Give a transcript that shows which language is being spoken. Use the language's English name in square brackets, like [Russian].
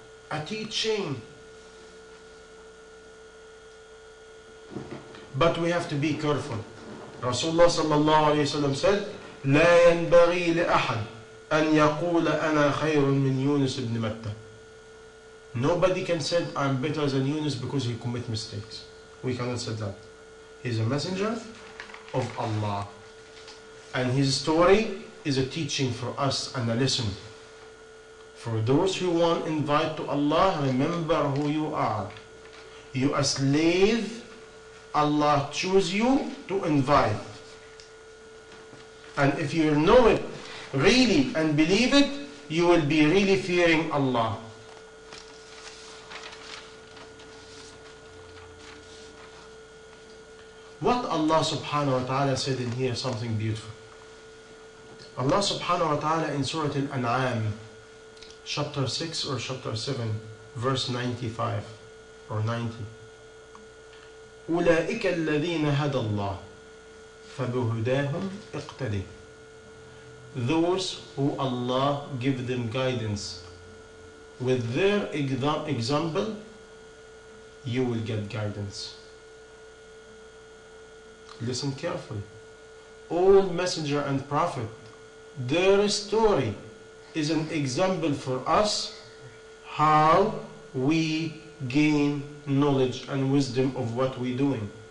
[English] A teaching. But we have to be careful. Rasulullah sallallahu alayhi wa sallam said, [Arabic] لا ينبغي لأحد أن يقول أنا خير من يونس بن متى. [English] Nobody can say I'm better than Yunus because he commit mistakes. We cannot say that. He's a messenger of Allah. And his story is a teaching for us and a lesson. For those who want invite to Allah, remember who you are. You are a slave. Allah choose you to invite. And if you know it really and believe it, you will be really fearing Allah. What Allah subhanahu wa ta'ala said in here, something beautiful. Allah subhanahu wa ta'ala in Surah Al-An'am, chapter 6 or chapter 7, verse 95 or 90. [Arabic] أولئك الذين هدى الله فبهداهم اقتدي. [English] Those who Allah give them guidance, with their example, you will get guidance. Listen carefully. All messenger and prophet, their story is an example for us how we gain knowledge and wisdom of what we're doing.